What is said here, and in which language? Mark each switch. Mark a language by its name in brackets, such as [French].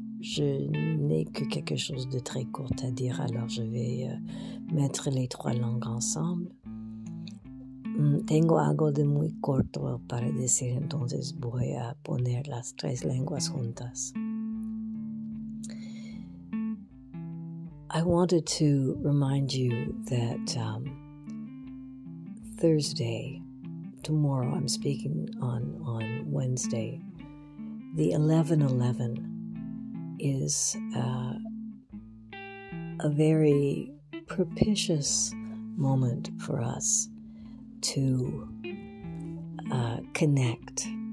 [French] Je n'ai que quelque chose de très court à dire, alors je vais mettre les trois langues ensemble. [Spanish] Tengo algo de muy corto para decir, entonces voy a poner las tres lenguas juntas. [English] I wanted to remind you that Thursday, tomorrow, I'm speaking on Wednesday, the 11/11 is a very propitious moment for us to connect.